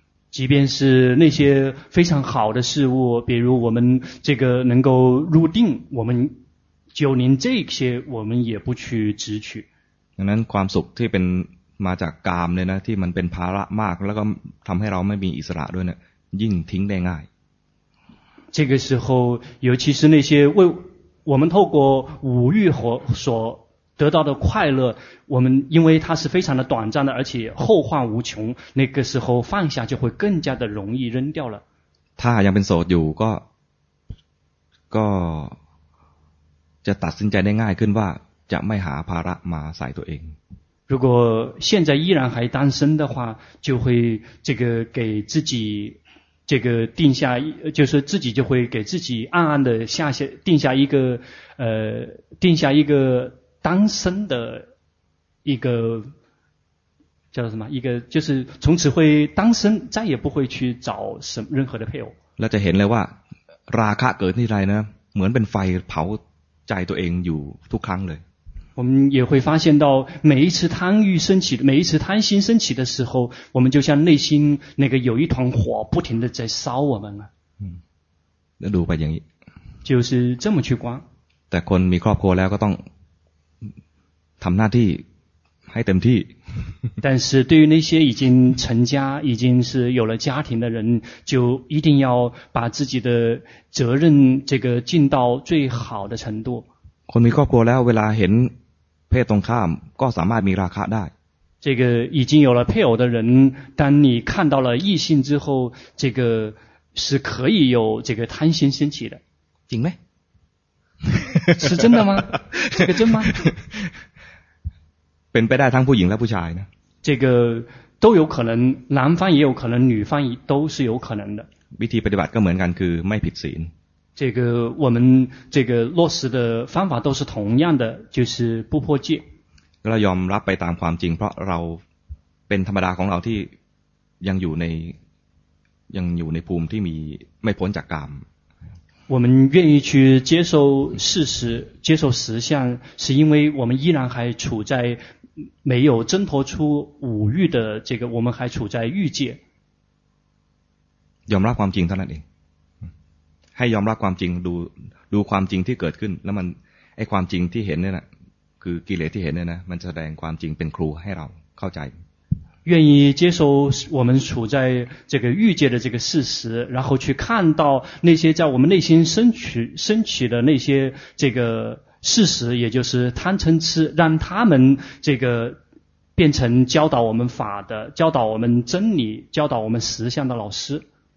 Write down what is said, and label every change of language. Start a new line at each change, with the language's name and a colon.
Chinese: 即便是那些非常好的事物比如我们这个能够入定我们就连这些我们也不去执取
Thai: ดังนั้นความสุขที่เป็นมาจากกามเนี่ยนะที่มันเป็นภาระมากแล้วก็ทำให้เราไม่มีอิสระด้วยเนี่ยยิ่งทิ้งได้ง่าย
Chinese: 这个时候尤其是那些为我们透过五欲所得到的快乐我们因为它是非常的短暂的而且后患无穷那个时候放下就会更加的容易扔掉了
Thai: ถ้ายังเป็นโสดอยู่ก็ จะตัดสินใจได้ง่ายขึ้นว่าจะไม่หาภาระมาใส่ตัวเอง
Chinese: 如果现在依然还单身的话就会这个给自己这个定下就是自己就会给自己暗暗的下下定下一个定下一个单身的一个叫什么一个就是从此会单身再也不会去找什么任何的配偶那就很累哇
Thai: ราคะเกิดที่ไรนะเหมือนเป็นไฟเผาใจตัวเองอยู่ทุกครั้งเลย
Chinese: 我们也会发现到每一次贪欲升起每一次贪心升起的时候我们就像内心那个有一团火不停的在烧我们
Thai: 那ดูไปอย่างนี้
Chinese: 就是这么去观
Thai: แต่คนมีครอบครัวแล้วก็ต้องทำหน้าที่ให้เต็มที่
Chinese: 但是对于那些已经成家已经是有了家庭的人就一定要把自己的责任这个尽到最好的程度
Thai: คนมีครอบครัวแล้วเวลาเห็นเพศตรงข้ามก็สามารถมีราคะได้
Chinese: 这个已经有了配偶的人当你看到了异性之后这个是可以有这个贪心升起的
Thai: จริงไหม
Chinese: 是真的吗这个真吗
Thai: เป็นไปได้ทั้งผู้หญิงและผู้ชายนะ
Chinese: 这个都有可能男方也有可能女方都是有可能的
Thai: วิธีปฏิบัติก็เหมือนกันคือไม่ผิดศีล
Chinese: 这个我们这个落实的方法都是同样的就是不破戒
Thai: เรายอมรับไปตามความจริงเพราะเราเป็นธรรมดาของเราที่ยังอยู่ในภูมิที่มีไม่พ้นจากกาม
Chinese: 我们愿意去接受事实接受实相是因为我们依然还处在没有挣脱出五欲的这个我们还处在欲界
Thai: ยอมรับความจริงเท่านั้นเองให้ยอมรับความจริงดูความจริงที่เกิดขึ้นแล้วมันไอ้ความจริงที่เห็นเนี่ยนะคือกิเลสที่เห็นเนี่ยนะมันแสดงความจริงเป็นครูให้เราเข้าใจ
Chinese: 愿意接受我们处在这个欲界的这个事实然后去看到那些在我们内心升起的那些这个事实也就是贪嗔痴让他们这个变成教导我们法的教导我们真理教导我们实相的老师